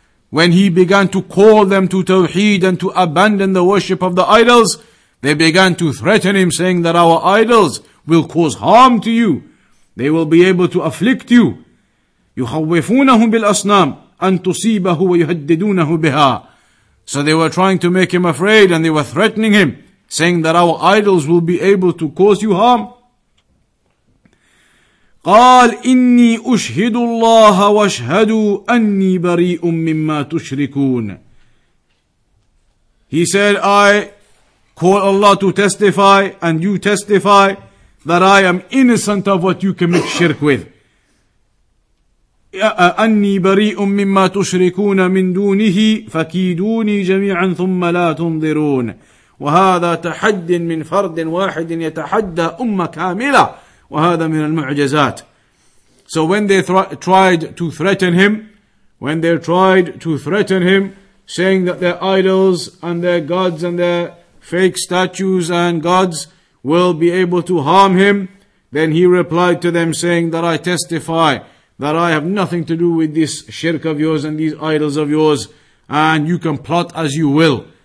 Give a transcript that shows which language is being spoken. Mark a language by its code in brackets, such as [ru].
[en] When he began to call them to Tawheed and to abandon the worship of the idols, they began to threaten him, saying that our idols will cause harm to you. They will be able to afflict you. [ar] يُخَوِّفُونَهُمْ بِالْأَصْنَامِ أَن تُصِيبَهُ وَيُهَدِّدُونَهُ بِهَا. [en] So they were trying to make him afraid and they were threatening him, saying that our idols will be able to cause you harm. [ar] قال إني أشهد الله وأشهد أني بريء مما تشركون. [en] He said, I call Allah to testify and you testify that I am innocent of what you commit shirk with. [ar] أني بريء مما تشركون من دونه فكيدوني جميعا ثم لا تنظرون. وهذا تحد من فرد واحد يتحدى أمة كاملة وهذا من المعجزات. [en] So when they tried to threaten him, saying that their idols and their gods and their fake statues and gods will be able to harm him, then he replied to them, saying that I testify that I have nothing to do with this shirk of yours and these idols of yours, and you can plot as you will.